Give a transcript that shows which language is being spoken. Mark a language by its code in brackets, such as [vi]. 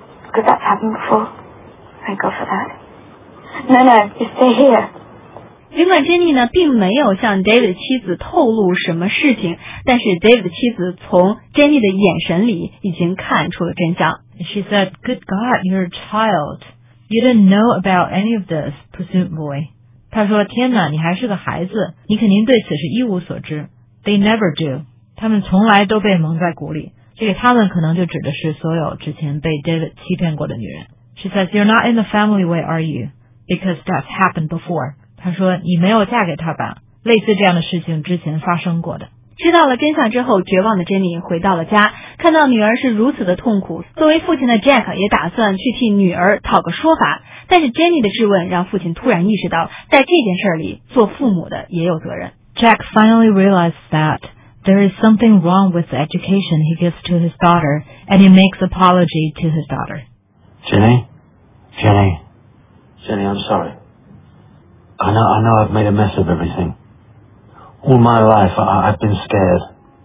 [en] Because that's happened before. Thank God for that. No, no, you stay here. [zh] 尽管 Jenny 呢并没有向 David 的妻子透露什么事情，但是 David 的妻子从 Jenny 的眼神里已经看出了真相。 [en] She said, Good God, you're a child. You didn't know about any of this, presumably. [zh] 她说天哪，你还是个孩子，你肯定对此事一无所知。 [en] They never do. [zh] 他们从来都被蒙在鼓里。这个他们可能就指的是所有之前被 David 欺骗过的女人。 [en] She says, You're not in the family way, are you? Because that's happened before. [zh] 他说你没有嫁给他吧，类似这样的事情之前发生过的。知道了真相之后，绝望的 Jenny 回到了家，看到女儿是如此的痛苦，作为父亲的 Jack 也打算去替女儿讨个说法，但是 Jenny 的质问让父亲突然意识到在这件事里做父母的也有责任。 [en] Jack finally realized that there is something wrong with the education he gives to his daughter and he makes apology to his daughter. Jenny, I'm sorry. I know I've made a mess of everything. All my life, I've been scared.